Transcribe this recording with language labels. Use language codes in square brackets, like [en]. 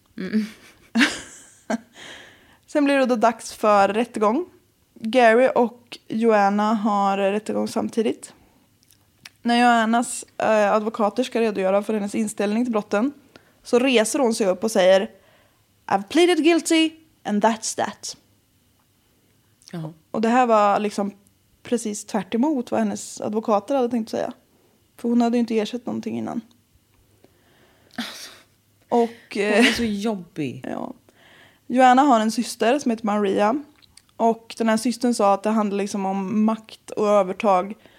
[sv] Mm. Sen blir det då dags för rättegång. Gary och Joanna har rättegång samtidigt. När Joannas advokater ska redogöra för hennes inställning till brotten så reser hon sig upp och säger [en] I've pleaded guilty and that's that. Uh-huh. [sv] Och det här var liksom precis tvärt emot vad hennes advokater hade tänkt säga. För hon hade ju inte ersatt någonting innan. Och, hon är så jobbig. Ja. Joanna har en syster som heter Maria. Och den här systern sa att det handlar liksom om makt och övertag.